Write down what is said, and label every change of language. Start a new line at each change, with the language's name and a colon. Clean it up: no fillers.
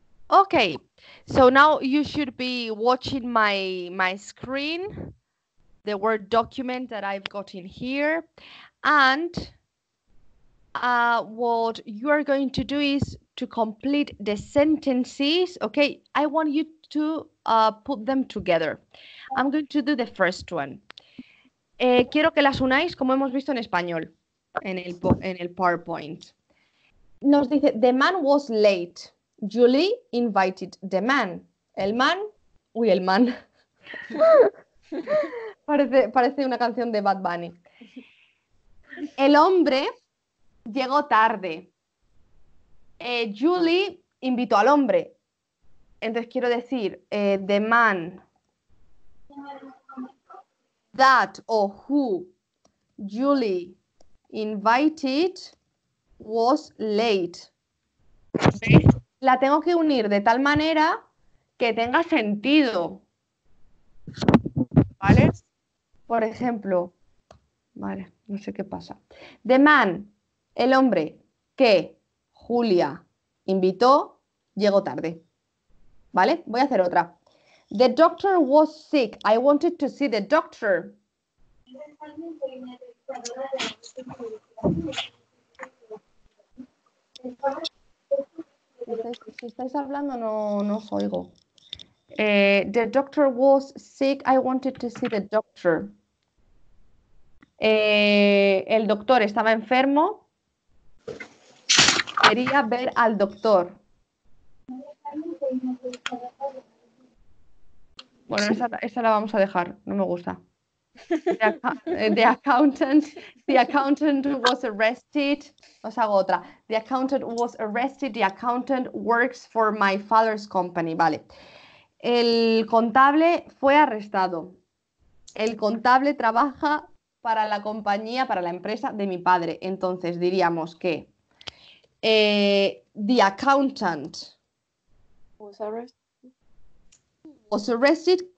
English: Okay, so now you should be watching my screen, the Word document that I've got in here, and what you are going to do is to complete the sentences. Okay, I want you to put them together. I'm going to do the first one.
Spanish: Quiero que las unáis como hemos visto en español, en el PowerPoint. Nos dice,
English: the man was late. Julie invited the man. El man, uy, el man.
Spanish: parece una canción de Bad Bunny. El hombre llegó tarde. Julie invitó al hombre. Entonces quiero decir,
English: the man that or who Julie invited was late.
Spanish: La tengo que unir de tal manera que tenga sentido. ¿Vale? Por ejemplo, vale, no sé qué pasa. The man, el hombre que Julia invitó, llegó tarde. ¿Vale? Voy a hacer otra.
English: The doctor was sick. I wanted to see the doctor.
Spanish: Si estáis hablando, no os oigo.
English: The doctor was sick. I wanted to see the doctor.
Spanish: El doctor estaba enfermo. quería ver al doctor. Bueno, esa la vamos a dejar, no me gusta.
English: The accountant was arrested.
Spanish: Os hago otra.
English: The accountant was arrested. The accountant works for my father's company.
Spanish: Vale. El contable fue arrestado. El contable trabaja para la compañía, para la empresa de mi padre. Entonces diríamos que
English: the accountant was arrested,